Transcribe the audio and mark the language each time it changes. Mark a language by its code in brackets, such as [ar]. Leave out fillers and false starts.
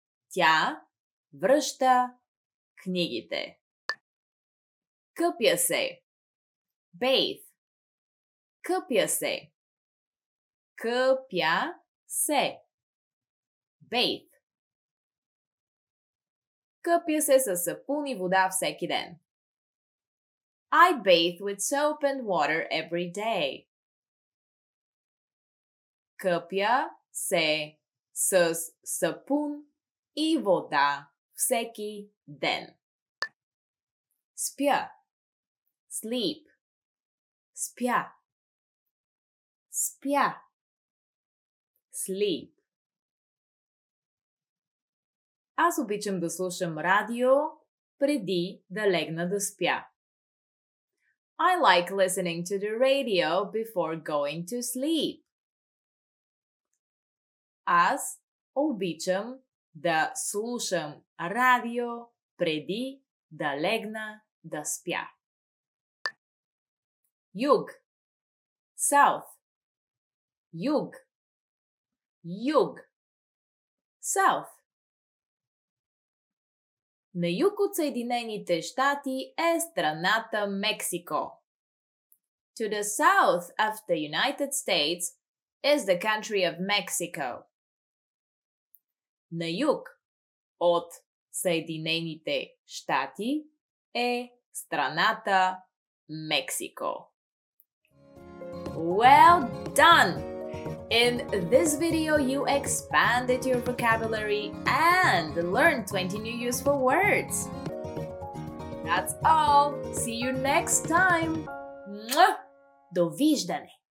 [bg] Тя връща книгите. Къпя се. [en] Bathe. [bg] Къпя се. Къпя се. [en] Bathe. [bg] Къпя се със сапун и вода всеки ден. [en] I bathe with soap and water every day. [bg] Къпя се със сапун и вода всеки ден. Спя. [en] Sleep. [bg] Спя. Спя. [en] Sleep. [bg] Аз обичам да слушам радио преди да легна да спя. [en] I like listening to the radio before going to sleep. [bg] аз обичам да слушам радио преди да легна да спя. Юг. South. Юг. Юг. South. На юг от Съединените щати е страната Мексико. [en] To the south of the United States is the country of Mexico. [bg] На юг от Съединените щати е страната Мексико. [en] Well done! In this video, you expanded your vocabulary and learned 20 new useful words. That's all. See you next time. Mwah! [bg] Довиждане!